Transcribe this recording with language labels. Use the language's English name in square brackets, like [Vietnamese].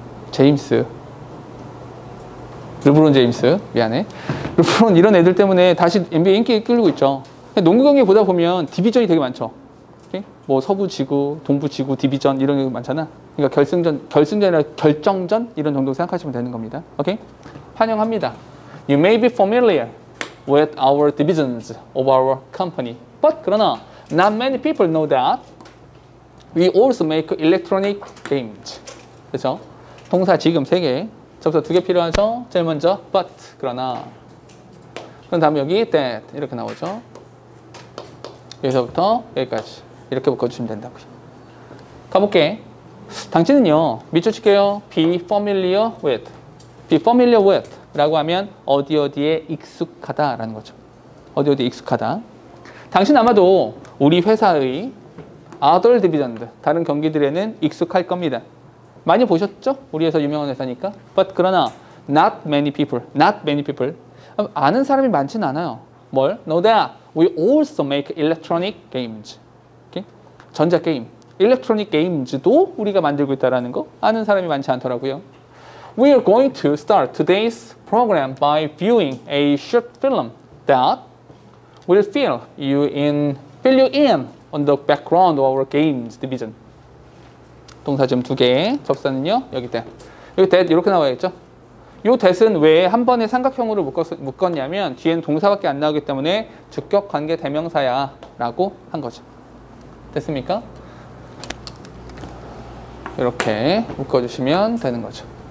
[Korean] 제임스. 르브론 제임스. 미안해. 르브론 이런 애들 때문에 다시 NBA 인기 끌고 있죠. 농구 경기 보다 보면 디비전이 되게 많죠. 뭐 서부 지구, 동부 지구, 디비전 이런 게 많잖아. 그러니까 결승전, 결승전이나 결정전 이런 정도 생각하시면 되는 겁니다. 오케이? 환영합니다. [English] You may be familiar with our divisions of our company. But [Korean] 그러나 [English] not many people know that we also make electronic games. [Korean] 그렇죠? 동사 지금 세 개, 접속사 두 개 필요하죠? 제일 먼저 but 그러나. 그럼 다음 여기 that 이렇게 나오죠. 여기서부터 여기까지 이렇게 묶어주시면 된다고요. 가볼게. 당신은요, 밑줄 칠게요. [English] Be familiar with. Be familiar with [Korean] 라고 하면 어디 어디에 익숙하다라는 거죠. 어디 어디에 익숙하다. 당신 아마도 우리 회사의 [English] other divisions, [Korean] 다른 경기들에는 익숙할 겁니다. 많이 보셨죠? 우리 회사 유명한 회사니까. [English] But [Korean] 그러나 [English] not many people, not many people. [Korean] 아는 사람이 많지는 않아요. 뭘? [English] Know that we also make electronic games. [Korean] 전자게임, 일렉트로닉 게임즈도 우리가 만들고 있다는 거 아는 사람이 많지 않더라고요. [English] We are going to start today's program by viewing a short film that will fill you in, fill you in on the background of our games division. [Korean] 동사 지금 두 개, 접사는요, 여기 that. 여기 that 이렇게 나와있죠? 요 that은 왜 한 번에 삼각형으로 묶었냐면 뒤에는 동사밖에 안 나오기 때문에 주격관계 대명사야 라고 한 거죠. 됐습니까? 이렇게 묶어주시면 되는 거죠.